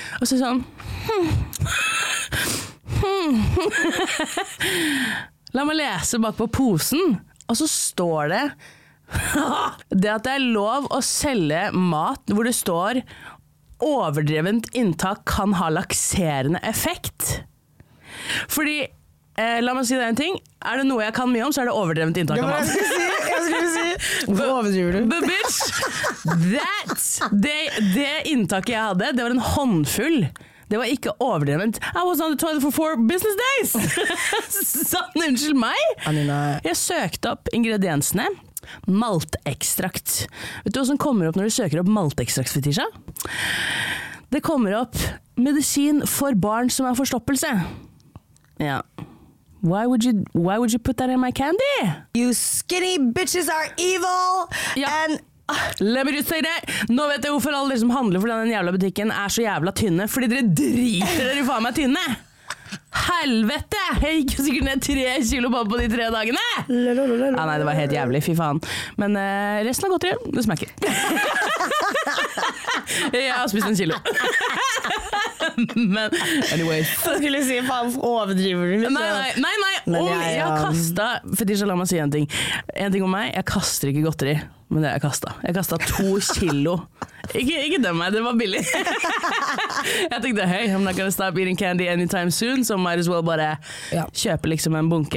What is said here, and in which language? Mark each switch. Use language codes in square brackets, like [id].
[no] Og så sånn La meg lese bak på posen, og så står det det at det lov å selge mat hvor det står overdrevent inntak kan ha lakserende effekt. Fordi, la meg si deg en ting, det noe jeg kan mye om, så det overdrevent inntak av mat. Det var jeg skulle si. Hvor overdriver du? [en] But bitch, [no] det inntaket jeg hadde, det var en håndfull. Det var ikke overdrevent. [en] I was on the toilet for 4 business days. [no] Sånn, unnskyld meg. Anina. Jeg søkte opp ingrediensene. Maltekstrakt. Vet du hva som kommer opp når du søker opp maltekstrakt, Fetisha? Det kommer opp medisin for barn som forstoppelse. Ja. [en] Why would you put that in my candy? You skinny bitches are evil. Ja. And... Let me just say that. [no] Nå vet jeg hvorfor alle dere som handler for den jævla butikken så jævla tynne. Fordi dere driter dere faen meg tynne. Helvete. Jeg gikk jo sikkert ned 3 kilo på de 3 dagene. Ja, nei, det var helt jævlig, fy faen. Men resten av godteri, det smaker. Jeg har spist 1 kilo. Men anyway. Så skulle jeg si, faen, overdriver du liksom. Nei. Jeg har kastet, for ikke la meg si en ting. En ting om meg, jeg kaster ikke godteri. Men det jeg kastet 2 kilo. Ikke dømme meg, det var billig. Jeg tenkte, [en] hey, I'm not gonna stop eating candy anytime soon, so might as well [no] bare kjøpe liksom en bunke.